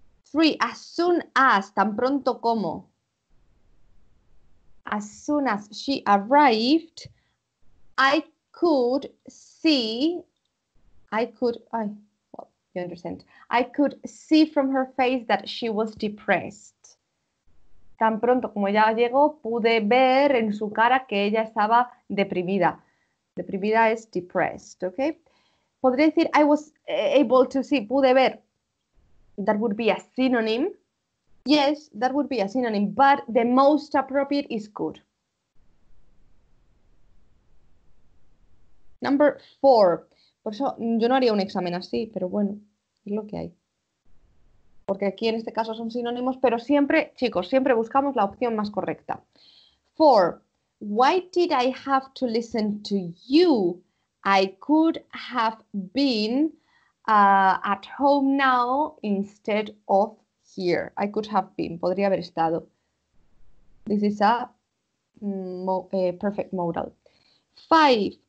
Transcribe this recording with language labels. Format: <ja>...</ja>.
<en>Three, as soon as,</en> <es>tan pronto como.</es> <en>As soon as she arrived, I could see from her face that she was depressed.</en> <es>Tan pronto como ella llegó, pude ver en su cara que ella estaba deprimida. Deprimida es depressed, okay? Podría decir,</es> <en>I was able to see,</en> <es>pude ver.</es> <en>That would be a synonym. Yes, that would be a synonym, but the most appropriate is good. Number four.</en> <es>Por eso yo no haría un examen así, pero bueno, es lo que hay. Porque aquí en este caso son sinónimos, pero siempre, chicos, siempre buscamos la opción más correcta.</es> <en>Four. Why did I have to listen to you? I could have been at home now instead of here. I could have been.</en> <es>Podría haber estado.</es> <en>This is a perfect modal. Five.</en>